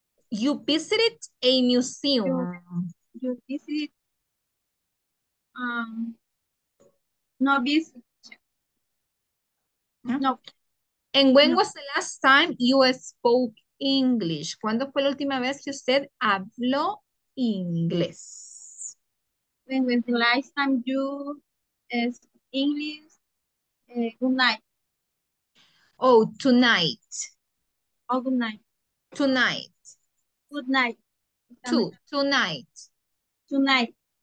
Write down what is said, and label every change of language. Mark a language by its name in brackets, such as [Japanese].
[English] You visited a museum. You visited. No visit. Yeah. No. And when was the last time you spoke English? [Spanish] ¿Cuándo fue la última vez que usted habló inglés? [English] When was the last time you spoke English? Good night. Oh, tonight. Oh, good night. Tonight. Good night. Tonight. Tonight.